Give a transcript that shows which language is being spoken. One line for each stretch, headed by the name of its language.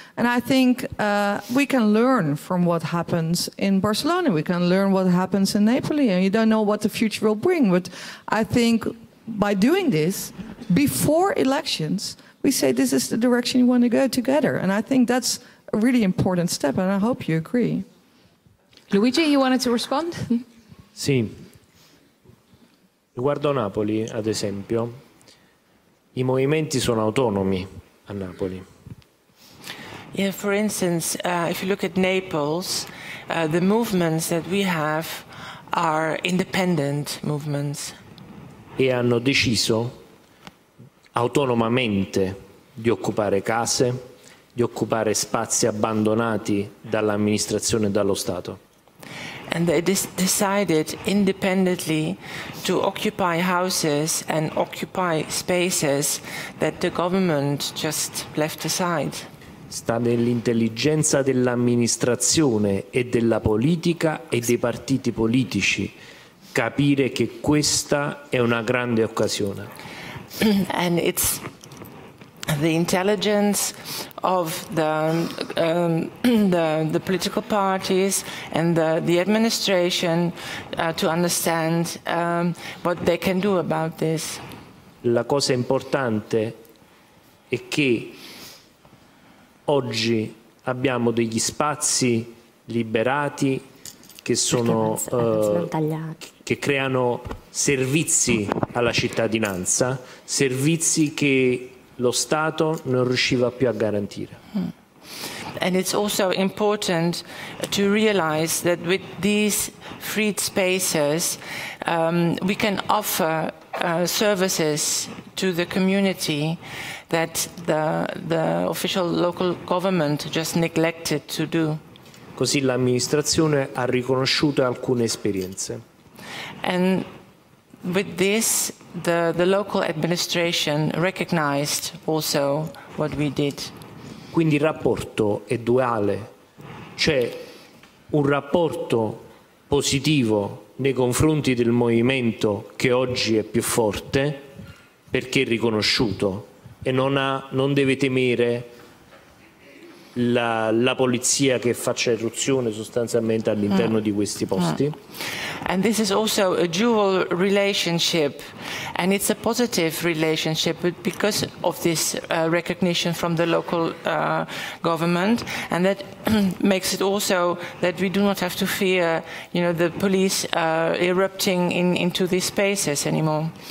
English: And I think we can learn from what happens in Barcelona, we can learn what happens in Napoli, and you don't know what the future will bring, but I think by doing this, before elections, we say this is the direction you want to go together. And I think that's a really important step, and I hope you agree. Luigi, you wanted to respond?
Italian: Sì. Riguardo Napoli, ad esempio, i movimenti sono autonomi a Napoli.
English: Yeah, for instance, if you look at Naples, the movements that we have are independent movements.
Italian: E hanno deciso autonomamente di occupare case, di occupare spazi abbandonati dall'amministrazione e dallo Stato.
English: And they decided independently to occupy houses and occupy spaces that the government just left aside.
Italian: Sta nell'intelligenza dell'amministrazione e della politica e dei partiti politici capire che questa è una grande occasione.
English: And it's the intelligence of the political parties and the administration to understand what they can do about this.
Italian: La cosa importante è che oggi abbiamo degli spazi liberati che sono che creano servizi alla cittadinanza, servizi che lo Stato non riusciva più a garantire.
English: And it's also important to realize that with these freed spaces we can offer services to the community that the official local government just neglected to do.
Italian: Così l'amministrazione ha riconosciuto alcune esperienze.
English: And with this the local administration recognized also what we did.
Italian: Quindi il rapporto è duale, cioè un rapporto positivo nei confronti del movimento che oggi è più forte perché è riconosciuto e non deve temere la polizia che faccia irruzione sostanzialmente all'interno di questi posti.
English: And this is also a dual relationship, and it's a positive relationship because of this recognition from the local government, and that makes it also that we do not have to fear, you know, the police erupting into these spaces anymore.